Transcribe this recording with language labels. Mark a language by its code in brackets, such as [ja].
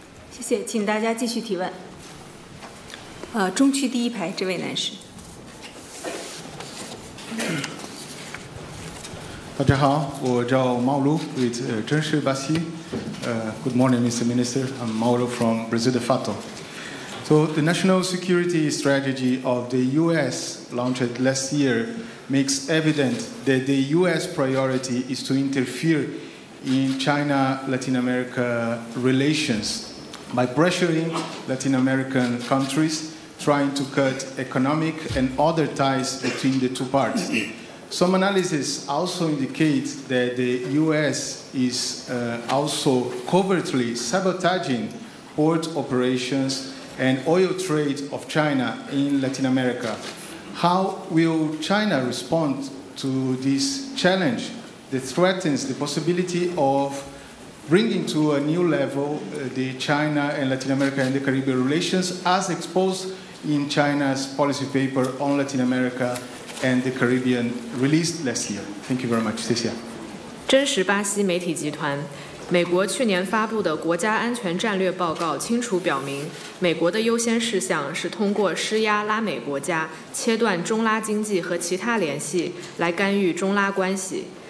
[zh] 谢谢，请大家继续提问。中区第一排这位男士。大家好，我叫毛卢，来自真实巴西。 [en] Good morning, Mr. Minister. I'm Mauro from Brazil de Fato. So the national security strategy of the U.S. launched last year makes evident that the U.S. priority is to interfere in China-Latin America relations by pressuring Latin American countries trying to cut economic and other ties between the two parts. Some analysis also indicate that the U.S. is also covertly sabotaging port operations and oil trade of China in Latin America. How will China respond to this challenge that threatens the possibility of bringing to a new level the China and Latin America and the Caribbean relations as exposed in China's policy paper on Latin America and the Caribbean released last year? Thank you very much. [zh] 谢谢。真实巴西媒体集团，美国去年发布的国家安全战略报告清楚表明，美国的优先事项是通过施压拉美国家，切断中拉经济和其他联系，来干预中拉关系。